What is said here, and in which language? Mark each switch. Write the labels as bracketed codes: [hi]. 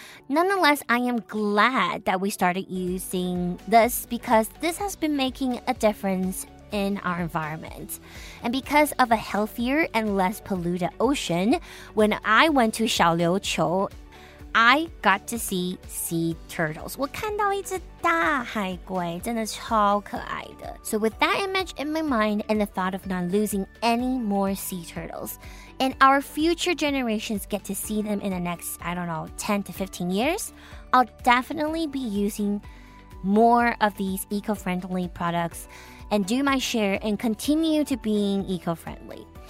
[en] Nonetheless, I am glad that we started using this because this has been making a difference in our environment. And because of a healthier and less polluted ocean, when I went to Xiaoliuqiu, I got to see sea turtles. [zh] 我看到一只大海龟, 真的超可爱的。 [en] So with that image in my mind and the thought of not losing any more sea turtles, and our future generations get to see them in the next, I don't know, 10 to 15 years, I'll definitely be using more of these eco-friendly products and do my share and continue to being eco-friendly.